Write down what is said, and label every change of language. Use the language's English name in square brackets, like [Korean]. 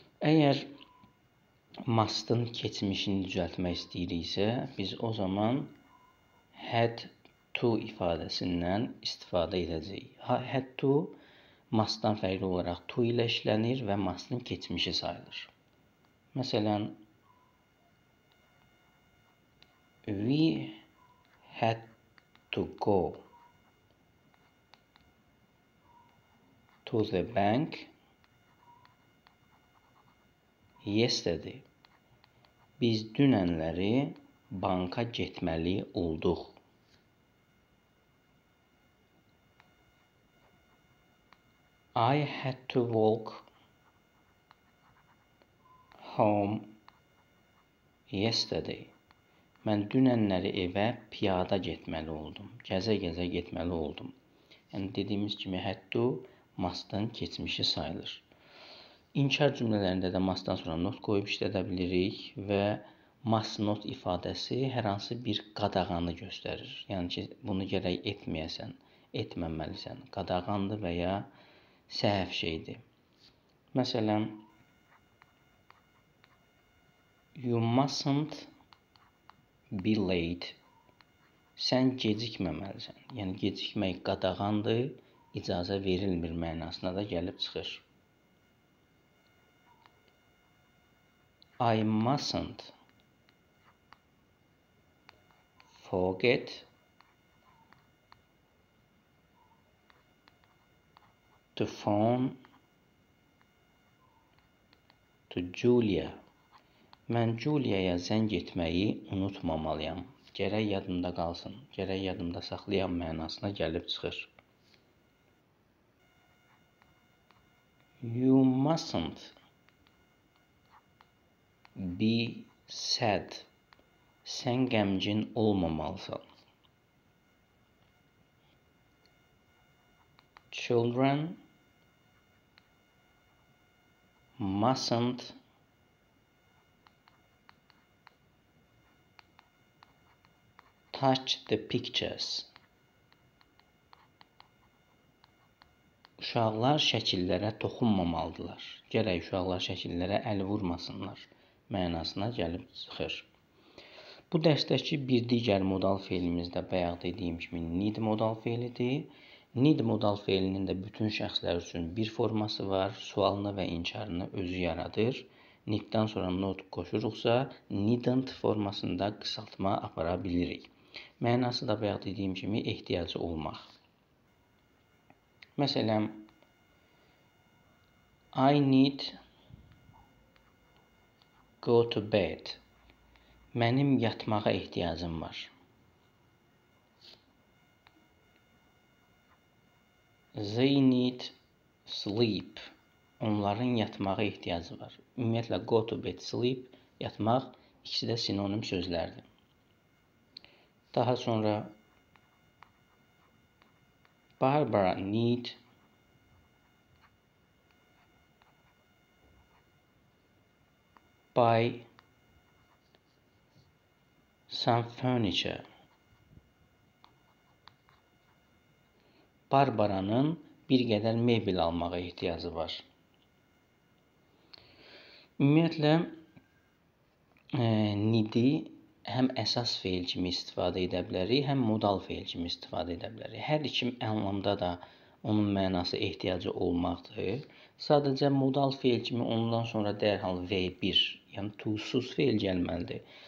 [Azerbaijani] Əgər must-ın keçmişini düzəltmək istəyiriksə, biz o zaman [English] had to [Azerbaijani] ifadəsindən istifadə edəcəyik. Had to must-dan fərqli olaraq to ilə işlənir və must-ın keçmişi sayılır. Məsələn, [English] we had to go to the bank yesterday. [Azerbaijani] Biz dünənləri banka getməli olduq. [English] I had to walk home yesterday. [Azerbaijani] Mən dünənləri evə piyada getməli oldum. Gəzə-gəzə getməli oldum. Yəni, dediyimiz kimi, had to must-ın keçmişi sayılır. İnkar cümlələrində də must-dan sonra not qoyub işlədə bilirik və must-not ifadəsi hər hansı bir qadağanı göstərir. Yəni ki, bunu gərək etməyəsən, etməməlisən. Qadağandır və ya səhv şeydir. Məsələn, [English] you mustn't be late. [Azerbaijani] Sən gecikməməlisən. Yəni, gecikmək qadağandır, icazə verilmir mənasına da gəlib çıxır. [English] I mustn't forget to phone to Julia. [Azerbaijani] Mən Julia'ya zəng etməyi unutmamalıyam. Gərək yadımda qalsın, gərək yadımda saxlayam mənasına gəlib çıxır. [English] You mustn't be sad. [Azerbaijani] Sən qəmgin olmamalısan. [English] Children mustn't touch the pictures. [Azerbaijani] Uşaqlar şəkillərə toxunmamalıdırlar. Gərək uşaqlar şəkillərə əl vurmasınlar mənasına gəlib çıxır. Bu dərsdəki bir digər modal feilimiz də bayaq dediyim kimi need modal feilidir. Need modal feilinin də bütün şəxslər üçün bir forması var. Sualını və inkarını özü yaradır. need'dan sonra not koşuruqsa, needn't formasında qısaltma apara bilirik. Mənası da bayaq dediyim kimi ehtiyacı olmaq. Məsələn, [English] I need go to bed. [Azerbaijani] Mənim yatmağa ehtiyacım var. [English] They need sleep. [Azerbaijani] Onların yatmağa ehtiyacı var. Ümumiyyətlə, go to bed, sleep, yatmaq ikisi də sinonim sözlərdir. Daha sonra [English] Barbara need buy some furniture. [Azerbaijani] Barbara'nın bir qədər mebel almağa ehtiyacı var. Ümumiyyətlə, need-i həm əsas feil kimi istifadə edə bilərik, həm modal feil kimi istifadə edə bilərik. Hər iki anlamda da onun mənası ehtiyacı olmaqdır. Sadəcə modal feil kimi ondan sonra dərhal V1, yəni to-suz feil gəlməlidir.